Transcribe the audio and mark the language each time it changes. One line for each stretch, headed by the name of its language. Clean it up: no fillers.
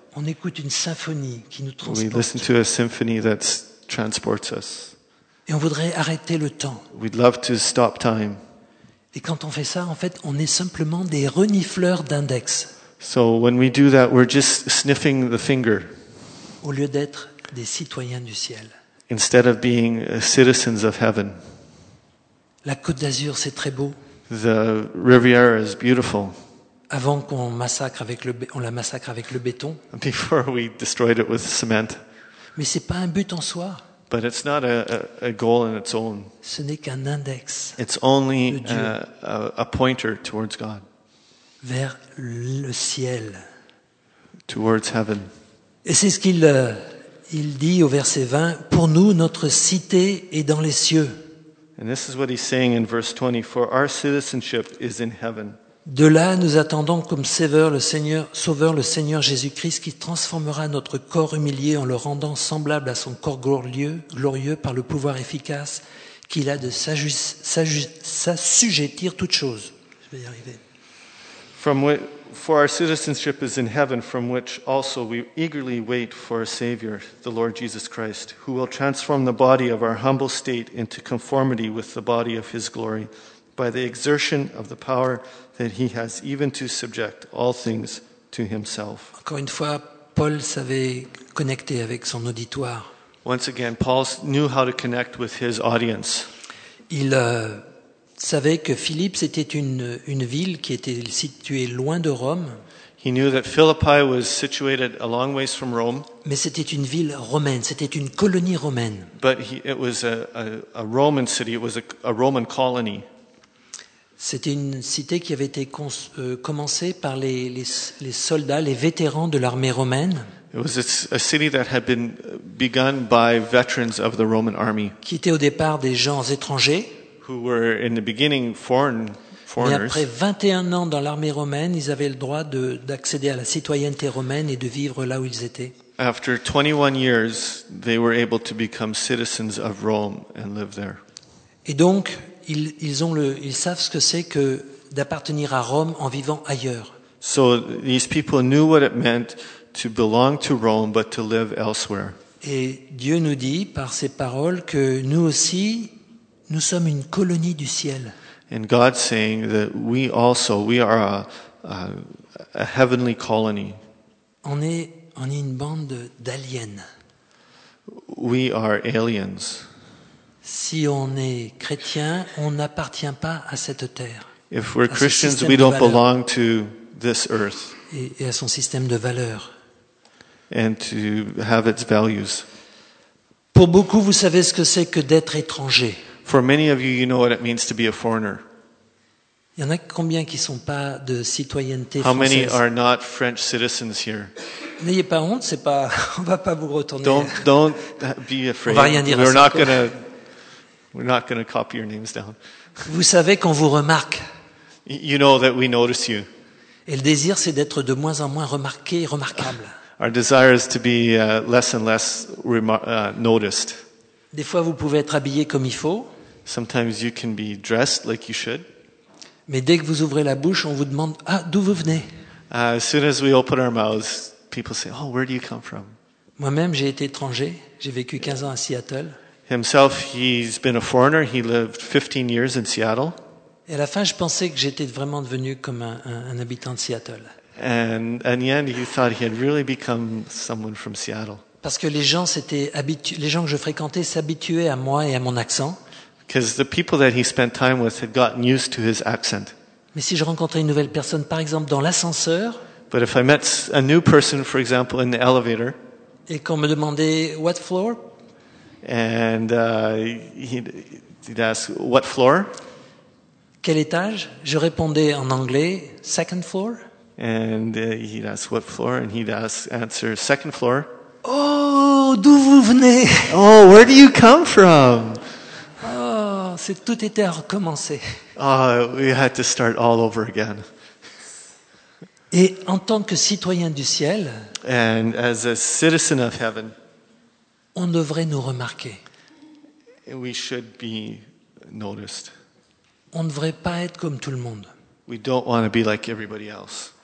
French: On écoute une symphonie qui nous transporte.
English: We listen to a symphony that transports us.
French: Et on voudrait arrêter le temps.
English: We'd love to stop time.
French: Et quand on fait ça, en fait, on est simplement des renifleurs d'index.
English: So when we do that, we're just sniffing the finger.
French: Au lieu d'être des citoyens du ciel.
English: Instead of being citizens of heaven.
French: La Côte d'Azur, c'est très beau.
English: The Riviera is beautiful.
French: Avant qu'on massacre avec le on la massacre avec le béton.
English: Before we destroyed it with cement.
French: Mais c'est pas un but en soi.
English: But it's not a goal in its own.
French: Ce n'est qu'un index.
English: It's only a pointer towards God.
French: Vers le ciel.
English: Towards heaven.
French: Et c'est ce qu'il il dit au verset 20, pour nous notre cité est dans les cieux.
English: And this is what he's saying in verse 20, for our citizenship is in heaven.
French: De là nous attendons comme sauveur le Seigneur Jésus-Christ qui transformera notre corps humilié en le rendant semblable à son corps glorieux par le pouvoir efficace qu'il a de s'assujettir toutes choses. Je vais y arriver.
English: For our citizenship is in heaven, from which also we eagerly wait for a Savior, the Lord Jesus Christ, who will transform the body of our humble state into conformity with the body of his glory by the exertion of the power that he has even to subject all things to himself.
French: Encore une fois, Paul savait connecter avec son auditoire.
English: Once again, Paul knew how to connect with his audience.
French: Il savait que Philippe c'était une ville qui était située loin de Rome.
English: He knew that Philippi was situated a long ways from Rome.
French: Mais c'était une ville romaine, c'était une colonie romaine.
English: But it was a Roman city, it was a Roman colony.
French: C'était une cité qui avait été commencée par les soldats, les vétérans de l'armée romaine.
English: It was a city that had been begun by veterans of the Roman army.
French: Qui étaient au départ des gens étrangers.
English: Who were in the beginning foreigners.
French: Mais après 21 ans dans l'armée romaine, ils avaient le droit d'accéder à la citoyenneté romaine et de vivre là où ils étaient.
English: After 21 years, they were able to become citizens of Rome and live there.
French: Et donc, ils savent ce que c'est que d'appartenir à Rome en vivant ailleurs.
English: So these people knew what it meant to belong to Rome but to live elsewhere.
French: Et Dieu nous dit par ses paroles que nous aussi nous sommes une colonie du ciel.
English: And God's saying that we also we are a heavenly colony.
French: On est une bande d'aliens.
English: We are aliens.
French: Si on est chrétien, on n'appartient pas à cette terre.
English: If we're Christians, we don't belong to this earth.
French: Et à son système de valeurs.
English: And to have its values.
French: Pour beaucoup, vous savez ce que c'est que d'être étranger.
English: For many of you, you know what it means to be a foreigner.
French: Il y en a combien qui ne sont pas de citoyenneté française?
English: How many are not French citizens here?
French: N'ayez pas honte, c'est pas, on va pas vous retourner.
English: Don't be afraid.
French: On va rien dire.
English: We're not gonna copy your names down.
French: Vous savez qu'on vous remarque.
English: You know that we notice you.
French: Et le désir, c'est d'être de moins en moins remarqué, remarquable.
English: Our desire is to be less and less noticed.
French: Des fois, vous pouvez être habillé comme il faut.
English: Sometimes you can be dressed like you should.
French: Mais dès que vous ouvrez la bouche, on vous demande « Ah, d'où vous venez ?»
English: As soon as we open our mouths, people say « Oh, where do you come from ?»
French: Moi-même, j'ai été étranger. J'ai vécu 15 ans à Seattle.
English: Himself, he's been a foreigner. He lived 15 years in Seattle.
French: Et à la fin, je pensais que j'étais vraiment devenu comme un habitant de Seattle.
English: And in the end, he thought he had really become someone from Seattle.
French: Parce que les gens que je fréquentais s'habituaient à moi et à mon accent.
English: Because the people that he spent time with had gotten used to his accent.
French: Mais si je rencontrais une nouvelle personne, par exemple dans l'ascenseur.
English: But if I met a new person, for example, in the elevator.
French: Et qu'on me demandait
English: what floor? And he'd ask what floor?
French: Quel étage? Je répondais en anglais,
English: second floor. And he'd ask what floor, and he'd answer second floor.
French: Oh, d'où vous venez?
English: Oh, where do you come from?
French: Oh, c'est tout était à recommencer.
English: Oh, we had to start all over again.
French: Et en tant que citoyen du ciel,
English: and as a citizen of heaven,
French: on devrait nous remarquer.
English: We should be noticed.
French: On ne devrait pas être comme tout le monde.
English: We don't want to be like everybody else.